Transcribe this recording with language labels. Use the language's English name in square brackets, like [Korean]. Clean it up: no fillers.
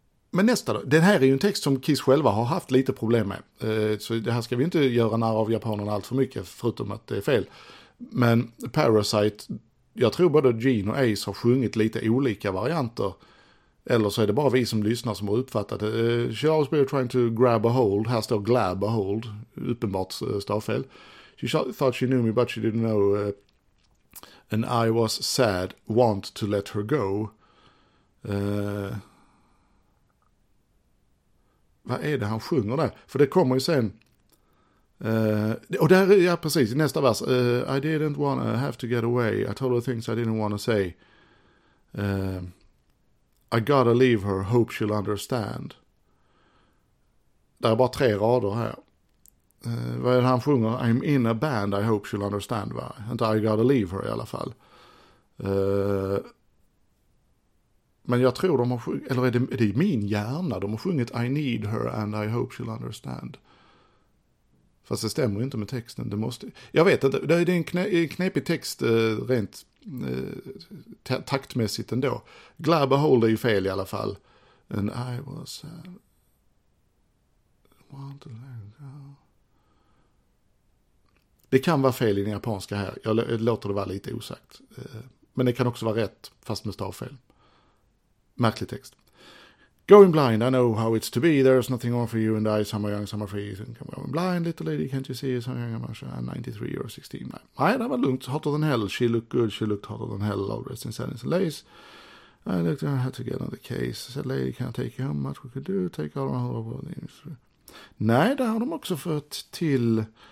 [Swedish] Men nästa då. Den här är ju en text som Kiss själva har haft lite problem med. Så det här ska vi inte göra när av japanerna allt för mycket, förutom att det är fel. Men Parasite, jag tror både Gene och Ace har sjungit lite olika varianter. Eller så är det bara vi som lyssnar som har uppfattat det. [English] Charles Beer trying to grab a hold. [Swedish] Här står [English] glab a hold. [Swedish] Uppenbart stavfel. [English] She thought she knew me but she didn't know. And I was sad. Want to let her go. Vad är det han sjunger där? För det kommer ju sen. Och där är jag precis i nästa vers. I didn't wanna have to get away. I told her things I didn't wanna say. I gotta leave her. Hope she'll understand. [Swedish] Det är bara tre rader här. Vad är det han sjunger? [English] I'm in a band. I hope she'll understand. [Swedish] Va? Inte [English] I gotta leave her [Swedish] i alla fall. Men jag tror de har sjungit, eller är det min hjärna? De har sjungit [English] I need her and I hope she'll understand. [Swedish] Fast det stämmer inte med texten. Det måste, jag vet inte, det är en knepig text rent taktmässigt ändå. Glab a hold är ju fel i alla fall. [English] And I was want to let go. [Swedish] Det kan vara fel i den japanska här. Jag låter det vara lite osagt. Men det kan också vara rätt, fast med stavfel. Märklig text. [English] Going blind, I know how it's to be. There's nothing on for you and I. Some are young, some are free. Think I'm going blind, little lady, can't you see? Some are young, I'm 93 or 16. [Swedish] Nej, det var lugnt. [English] Hotter than hell. She looked good. She looked hotter than hell. All dressed in sadness and lace. I looked and I had to get another case. I said, lady, can I take you home? Much we could do. Take all my whole world. [Swedish] Nej, det har de också fått till.